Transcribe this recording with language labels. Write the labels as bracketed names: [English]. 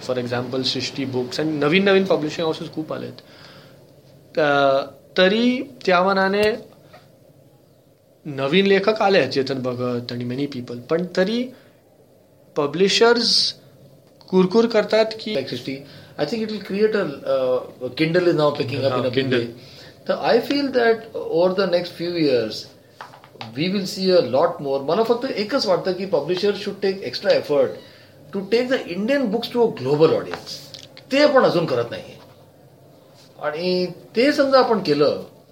[Marathi] For example Srushti books आणि नवीन नवीन publishing houses खूप आलेत. तरी त्या मनाने नवीन लेखक आले आहेत, चेतन भगत आणि [English] many people, [Marathi] पण तरी पब्लिशर्स कुरकुर करतात की [English] Srishti, I think it will create a Kindle is now picking up in a Kindle. So I feel that over the next few years, we will see a lot more. I think that one thing is that publishers should take extra effort to take the Indian books to a global audience. They don't do that. And if we do that,